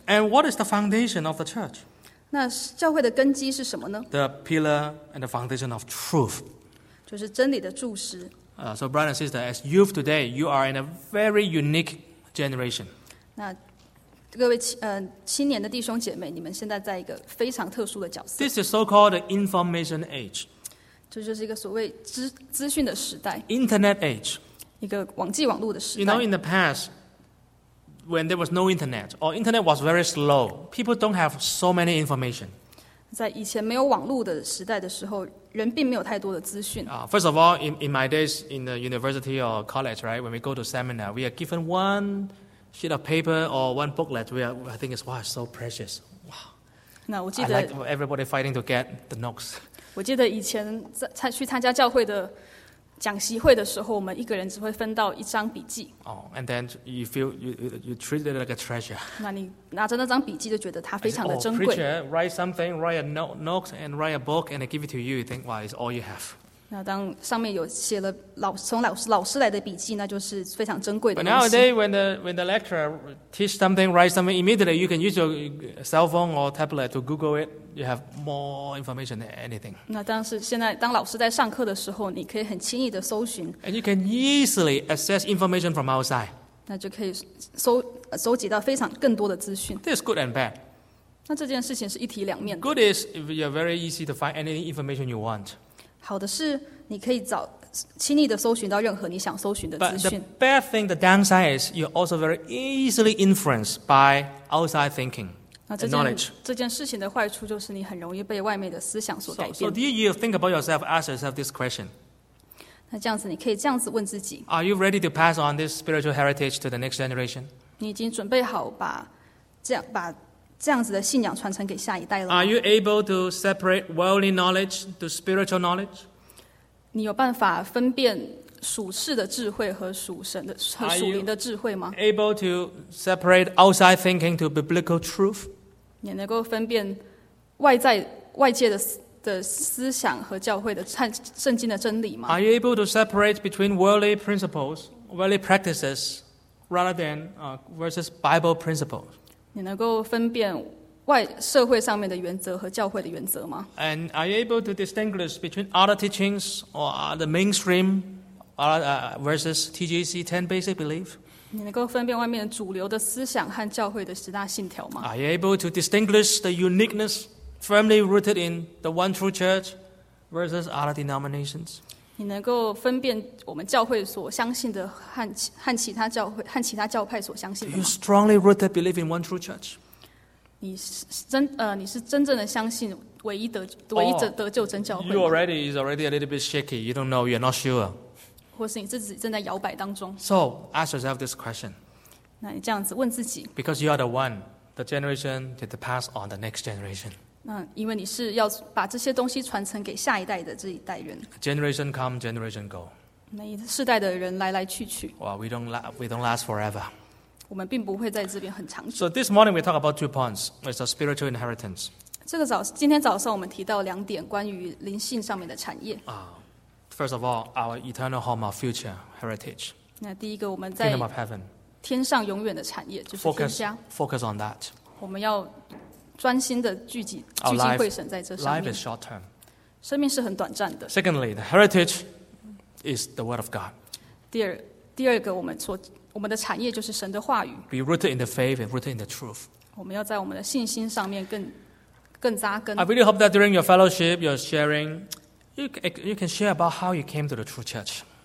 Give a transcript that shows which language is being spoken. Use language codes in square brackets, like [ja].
[en] And what is the foundation of the church? [zh] 那教会的根基是什么呢？ [en] The pillar and the foundation of truth. [zh] 就是真理的柱石。 [en] So brother and sister, as youth today, you are in a very unique generation. [zh] 那各位青年的弟兄姐妹，你们现在在一个非常特殊的角色。 [en] This is so-called the information age. [zh] 这就是一个所谓资讯的时代。 [en] Internet age. [zh] 一个网际网络的时代。 [en] You know, in the past, when there was no internet, or internet was very slow, people don't have so many information. [zh] 在以前没有网络的时代的时候，人并没有太多的资讯。 [en] First of all, in my days in the university or college, right, when we go to seminar, we are given one... sheet of paper or one booklet, I think it's wow, so precious. Wow. [zh] 那我记得 [en] I like everybody fighting to get the notes. [zh] 我记得以前在去参加教会的讲习会的时候，我们一个人只会分到一张笔记。 [en] Oh, and then you feel you treat it like a treasure. [zh] 那你拿着那张笔记就觉得它非常的珍贵。 [en] I said, oh, preacher, write something, write a note, and write a book, and I give it to you. You think, wow, it's all you have. [zh] 那当上面有写了从老师来的笔记，那就是非常珍贵的东西。 [en] But nowadays, when the lecturer teach something, write something, immediately you can use your cell phone or tablet to Google it. You have more information than anything. [zh] 那但是现在当老师在上课的时候，你可以很轻易的搜寻。 [en] And you can easily access information from outside. [zh] 那就可以收集到非常更多的资讯。 [en] This is good and bad. [zh] 那这件事情是一体两面的。 [en] Good is if you're very easy to find any information you want. [zh] 好的是你可以找轻易的搜寻到任何你想搜寻的资讯。 [en] But the bad thing, the downside is you're also very easily influenced by outside thinking and knowledge. [zh] 这件事情的坏处就是你很容易被外面的思想所改变。 [en] So do you think about yourself, ask yourself this question? [zh] 那这样子你可以这样子问自己。 [en] Are you ready to pass on this spiritual heritage to the next generation? [zh] 你已经准备好把这样子的信仰传承给下一代了吗？ [en] Are you able to separate worldly knowledge to spiritual knowledge? [zh] 你有办法分辨属世的智慧和属神的和属灵的智慧吗？ [en] Are you able to separate outside thinking to biblical truth? [zh] 你能够分辨外界的思想和教会的圣经的真理吗？ [en] Are you able to separate between worldly principles, worldly practices, rather than versus Bible principles? [zh] 你能够分辨外社会上面的原则和教会的原则吗？ [en] And are you able to distinguish between other teachings or the mainstream versus TGC 10 basic beliefs? [zh] 你能够分辨外面主流的思想和教会的十大信条吗？ [en] Are you able to distinguish the uniqueness firmly rooted in the one true church versus other denominations. [zh] 你能够分辨我们教会所相信的和其他教派所相信的吗？ [en] Do you strongly rooted believe in one true church? [zh] 你是真正的相信唯一得救真教会吗？ [en] You already is already a little bit shaky. You don't know. You're not sure. [zh] 或是你自己正在摇摆当中。 [en] So ask yourself this question. [zh] 那你这样子问自己。 [en] Because you are the one, the generation that pass on the next generation. [zh] 因为你是要把这些东西传承给下一代的这一代人。 [en] Generation come, generation go. [zh] 那一世代的人来来去去。 [en] Well, we don't last forever. [zh] 我们并不会在这边很长久。 [en] So this morning we talk about two points. It's a spiritual inheritance. [zh] 今天早上我们提到两点关于灵性上面的产业。 [en] First of all, our eternal home, our future heritage. [zh] 那第一个我们在 [en] Kingdom of Heaven. [zh] 天上永远的产业就是天家。 [en] Focus on that. [zh] 我们要专心的聚集会神在这上面。 [en] Life is short term. [zh] 生命是很短暂的。 [en] Secondly, the heritage is the word of God. [zh] 第二个我们的产业就是神的话语。 [en] Be rooted in the faith and rooted in the truth. [zh] 我们要在我们的信心上面更扎根。 [en] I really hope that during your fellowship, your sharing, you can share about how you came to the true church.